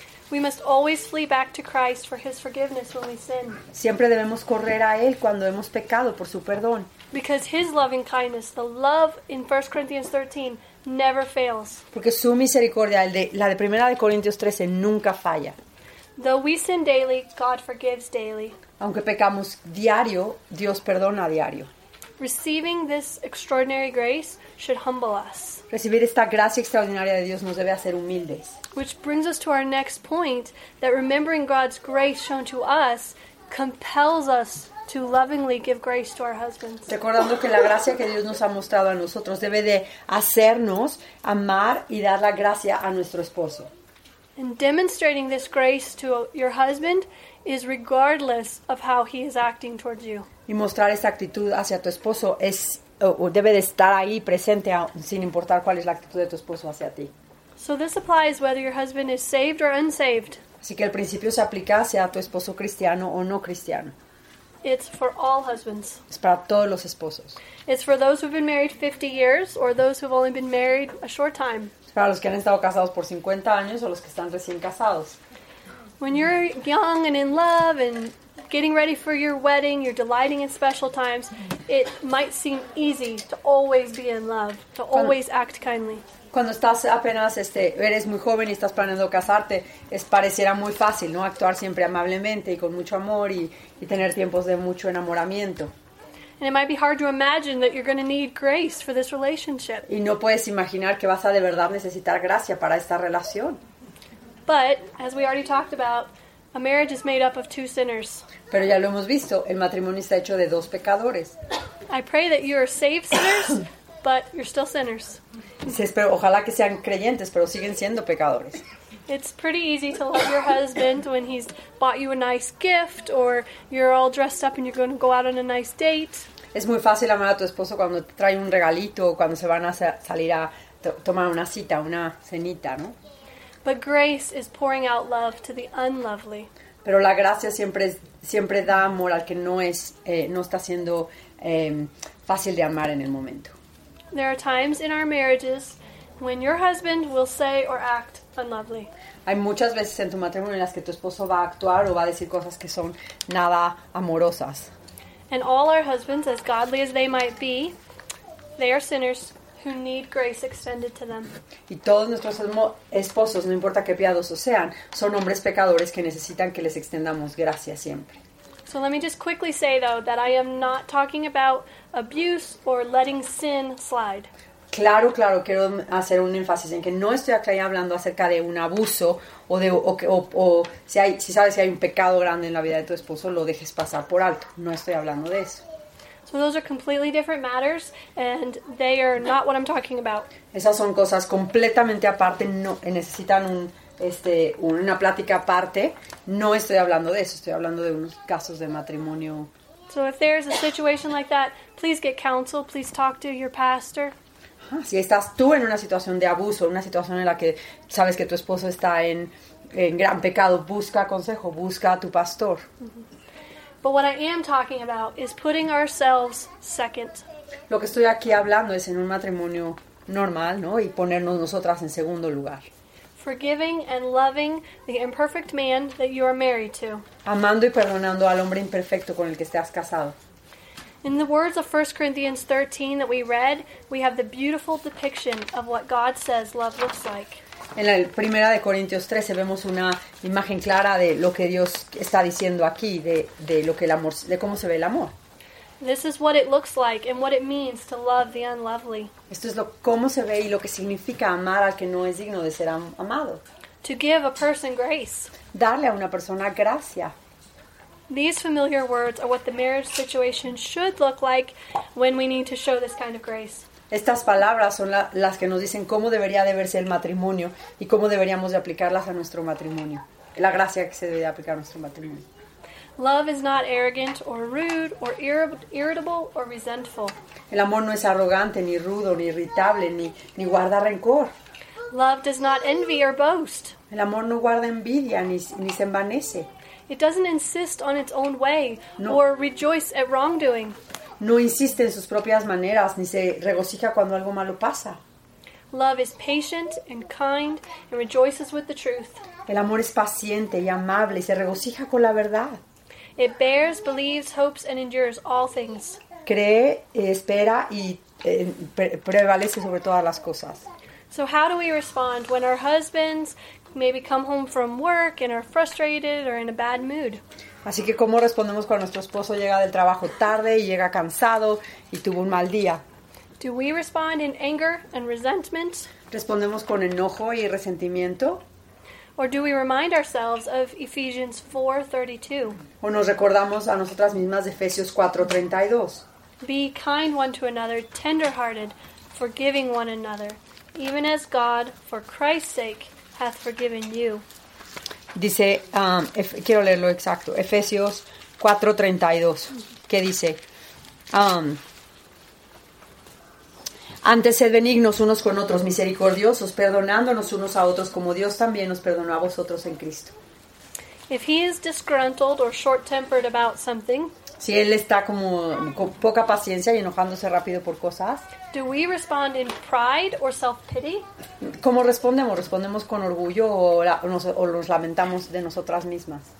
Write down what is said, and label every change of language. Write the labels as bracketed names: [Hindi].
[English] We must always flee back to Christ for his forgiveness when we sin. [Spanish] Siempre debemos correr a él cuando hemos pecado por su perdón. [English] Because his loving kindness, the love in 1 Corinthians 13, never fails. [Spanish] Porque su misericordia, la de 1 Corintios 13, nunca falla. [English] Though we sin daily, God forgives daily. [Spanish] Aunque pecamos diario, Dios perdona diario. [English] Receiving this extraordinary grace should humble us. [Spanish] Recibir esta gracia extraordinaria de Dios nos debe hacer humildes. [English] Which brings us to our next point, that remembering God's grace shown to us compels us to lovingly give grace to our husbands. [Spanish] Recordando que la gracia que Dios nos ha mostrado a nosotros debe de hacernos amar y dar la gracia a nuestro esposo. [English] And demonstrating this grace to your husband is regardless of how he is acting towards you. [Spanish] Y mostrar esta actitud hacia tu esposo es o debe de estar ahí presente sin importar cuál es la actitud de tu esposo hacia ti. [English] So this applies whether your husband is saved or unsaved. [Spanish] Así que el principio se aplica sea tu esposo cristiano o no cristiano. [English] It's for all husbands. [Spanish] Es para todos los esposos. [English] It's for those who've been married 50 years or those who've only been married a short time. [Spanish] Es para los que han estado casados por 50 años o los que están recién casados. [English] When you're young and in love and getting ready for your wedding, you're delighting in special times, it might seem easy to always be in love, to always act kindly. [Spanish] Cuando estás apenas, eres muy joven y estás planeando casarte, pareciera muy fácil, ¿no? Actuar siempre amablemente y con mucho amor y tener tiempos de mucho enamoramiento. [English] And it might be hard to imagine that you're going to need grace for this relationship. [Spanish] Y no puedes imaginar que vas a de verdad necesitar gracia para esta relación. [English] But, as we already talked about, a marriage is made up of two sinners. [Spanish] Pero ya lo hemos visto, el matrimonio está hecho de dos pecadores. [English] I pray that you are saved sinners, but you're still sinners. [Spanish] Sí, espero, ojalá que sean creyentes, pero siguen siendo pecadores. [English] It's pretty easy to love your husband when he's bought you a nice gift, or you're all dressed up and you're going to go out on a nice date. [Spanish] Es muy fácil amar a tu esposo cuando te trae un regalito, o cuando se van a salir a tomar una cita, una cenita, ¿no? [English] But grace is pouring out love to the unlovely. [Spanish] Pero la gracia siempre da amor al que no está siendo fácil de amar en el momento. [English] There are times in our marriages when your husband will say or act unlovely. [Spanish] Hay muchas veces en tu matrimonio en las que tu esposo va a actuar o va a decir cosas que son nada amorosas. [English] And all our husbands, as godly as they might be, they are sinners who need grace extended to them. [Spanish] Y todos nuestros esposos, no importa qué piadosos sean, son hombres pecadores que necesitan que les extendamos gracia siempre. [English] So let me just quickly say though that I am not talking about abuse or letting sin slide. [Spanish] Claro, quiero hacer un énfasis en que no estoy aquí hablando acerca de un abuso o si hay un pecado grande en la vida de tu esposo, lo dejes pasar por alto. No estoy hablando de eso. [English] So those are completely different matters, and they are not what I'm talking about. [Spanish] Esas son cosas completamente aparte, no, necesitan una plática aparte. No estoy hablando de eso, estoy hablando de unos casos de matrimonio. [English] So if there's a situation like that, please get counsel, please talk to your pastor. [Spanish] Si estás tú en una situación de abuso, una situación en la que sabes que tu esposo está en gran pecado, busca consejo, busca a tu pastor. Mm-hmm. [English] But what I am talking about is putting ourselves second. [Spanish] Lo que estoy aquí hablando es en un matrimonio normal, ¿no? Y ponernos nosotras en segundo lugar. [English] Forgiving and loving the imperfect man that you are married to. [Spanish] Amando y perdonando al hombre imperfecto con el que estás casado. [English] In the words of 1 Corinthians 13 that we read, we have the beautiful depiction of what God says love looks like. [Spanish] En la primera de Corintios 13 vemos una imagen clara de lo que Dios está diciendo aquí, de lo que el amor, de cómo se ve el amor. [English] This is what it looks like and what it means to love the unlovely. [Spanish] Esto es cómo se ve y lo que significa amar al que no es digno de ser amado. [English] To give a person grace. [Spanish] Darle a una persona gracia. [English] These familiar words are what the marriage situation should look like when we need to show this kind of grace. [Spanish] Estas palabras son las que nos dicen cómo debería de verse el matrimonio y cómo deberíamos de aplicarlas a nuestro matrimonio. la gracia que se debe aplicar a nuestro matrimonio. [English] Love is not arrogant or rude or irritable or resentful. [Spanish] El amor no es arrogante, ni rudo, ni irritable, ni guarda rencor. [English] Love does not envy or boast. [Spanish] El amor no guarda envidia, ni se envanece. [English] It doesn't insist on its own way, no, or rejoice at wrongdoing. [Spanish] No insiste en sus propias maneras, ni se regocija cuando algo malo pasa. [English] Love is patient and kind and rejoices with the truth. [Spanish] El amor es paciente y amable y se regocija con la verdad. [English] It bears, believes, hopes and endures all things. [Spanish] Cree, espera y prevalece sobre todas las cosas. [English] So how do we respond when our husbands maybe come home from work and are frustrated or in a bad mood? [Spanish] Así que ¿cómo respondemos cuando nuestro esposo llega del trabajo tarde y llega cansado y tuvo un mal día? [English] Do we respond in anger and resentment? [Spanish] ¿Respondemos con enojo y resentimiento? [English] Or do we remind ourselves of Ephesians 4:32? [Spanish] ¿O nos recordamos a nosotras mismas de Efesios 4:32? [English] Be kind one to another, tender-hearted, forgiving one another, even as God, for Christ's sake, hath forgiven you. [Spanish] Dice, quiero leerlo exacto, Efesios 4:32, que dice, antes sed benignos unos con otros, misericordiosos, perdonándonos unos a otros, como Dios también nos perdonó a vosotros en Cristo. [English] If he is disgruntled or short-tempered about something, [Spanish] si él está como con poca paciencia y enojándose rápido por cosas, [English] do we respond in pride or self-pity? [Spanish] ¿Cómo respondemos? ¿Respondemos con orgullo o nos lamentamos de nosotras mismas?